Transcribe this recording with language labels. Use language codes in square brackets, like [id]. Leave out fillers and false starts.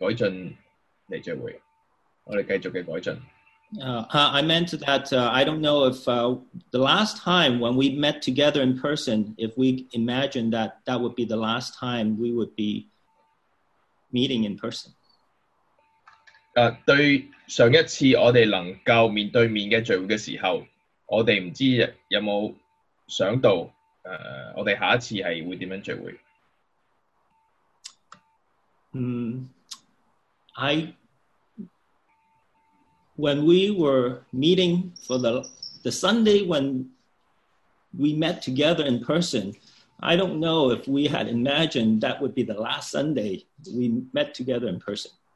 [zh] 前两个主日我们这样筹备怎样的改进来聚会，我们继续的改进。 [en] I meant that I don't know if the last time when we met together in person, if we imagined that that would be the last time we would be meeting in person. [zh] 对上一次我们能够面对面的聚会的时候，我们不知道有没有想到我们下一次是会怎样聚会。 [en] When we were meeting for the Sunday when we met together in person, I don't know if we had imagined that would be the last Sunday we met together in person.